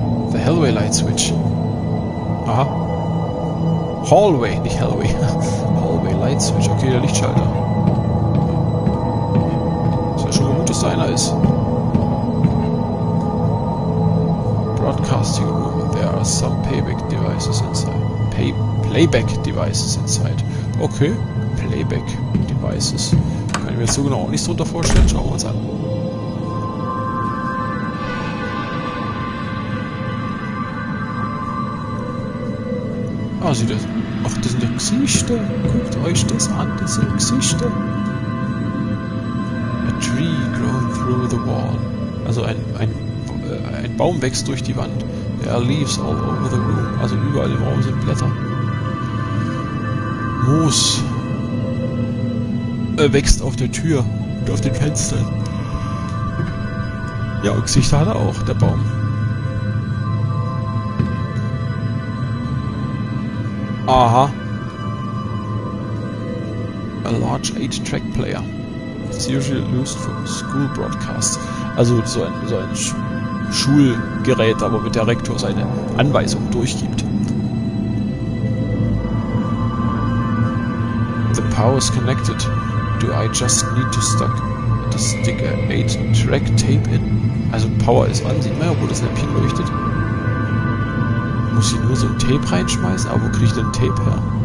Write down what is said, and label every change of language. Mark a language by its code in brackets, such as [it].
[en] The Hallway Light Switch. Aha. Hallway, nicht Hallway. Hallway Light Switch. [de] Okay, der Lichtschalter. Ist ja schon mal gut, dass da einer ist. [en] Casting room. There are some playback devices inside. Playback devices inside. Okay. Playback devices. [de] Kann ich mir jetzt so genau auch nichts drunter vorstellen. Schauen wir uns an. Ah, sieht das. Ach, das sind ja Gesichter. Guckt euch das an. Das sind Gesichter. [en] A tree grown through the wall. [de] Also ein Baum wächst durch die Wand. [en] There are leaves all over the room. [de] Also überall im Raum sind Blätter. Moos. Wächst auf der Tür und auf den Fenstern. Ja, und Gesichter hat er auch, der Baum. Aha. [en] large 8-Track Player. It's usually used for school broadcast. [de] Also so ein Schulgerät, aber mit der Rektor seine Anweisung durchgibt. [en] The power is connected. Do I just need to stick a 8-Track tape in? [de] Also Power ist an, sieht man ja, wo das Läppchen leuchtet. Muss ich nur so ein Tape reinschmeißen? Aber wo kriege ich denn ein Tape her?